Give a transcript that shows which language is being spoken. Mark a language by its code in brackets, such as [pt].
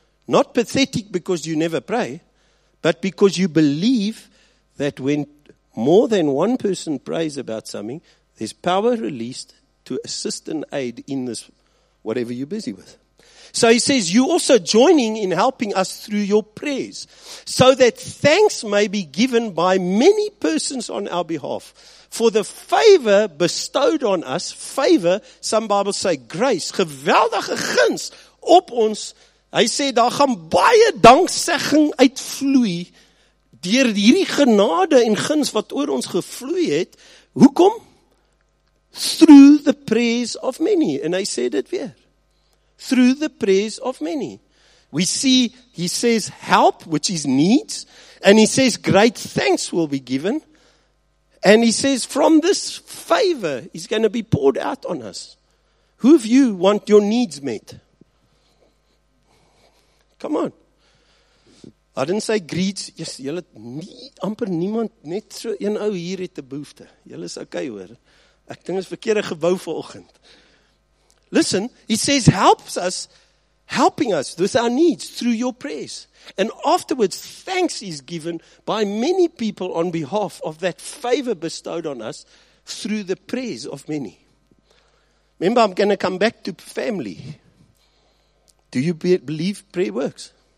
[en] Not pathetic because you never pray, but because you believe that when more than one person prays about something, there's power released to assist and aid in this, whatever you're busy with. So he says, you also joining in helping us through your prayers, so that thanks may be given by many persons on our behalf for the favor bestowed on us. Favor, some Bibles say grace, [af] geweldige guns op ons. Hy sê, daar gaan baie danksegging uitvloei deur hierdie genade en guns wat oor ons gevloei het. Hoekom? [en] Through the prayers of many. [af] En hy sê dit weer. [en] Through the prayers of many. We see, he says, help, which is needs. And he says, great thanks will be given. And he says, from this favor is going to be poured out on us. Who of you want your needs met? Come on. I didn't say greed. Yes, [af] julle nie, amper niemand, net so een ou hier het 'n behoefte. Julle is okay hoor. Ek dink is verkeerde gebou vanoggend. [en] Listen, he says, helps us, helping us with our needs through your prayers. And afterwards, thanks is given by many people on behalf of that favor bestowed on us through the prayers of many. Remember, I'm going to come back to family. Do you believe prayer works?